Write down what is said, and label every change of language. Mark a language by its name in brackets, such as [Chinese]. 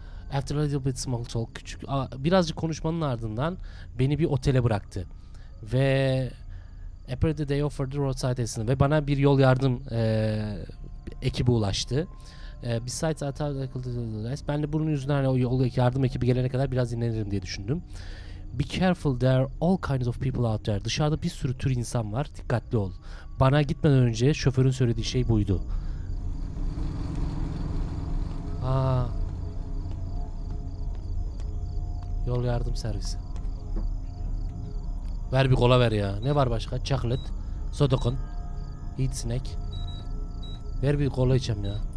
[English] After a little bit small talk, [Turkish] küçük, birazcık konuşmanın ardından beni bir otele bıraktı. Ve [English] apparently they offered the roadside assistance. [Turkish] Ve bana bir yol yardım ekibi ulaştı. [English] Besides, I thought, [Turkish] ben de bunun yüzünden hani o yol yardım ekibi gelene kadar biraz dinlenirim diye düşündüm. [English] Be careful, there are all kinds of people out there. [Turkish] Dışarıda bir sürü tür insan var, dikkatli ol. Bana gitmeden önce şoförün söylediği şey buydu. Aa. Yol yardım servisi. Ver bir kola ver ya. Ne var başka? Chocolate, Sodokun, Heat Snack. Ver bir kola içeyim ya.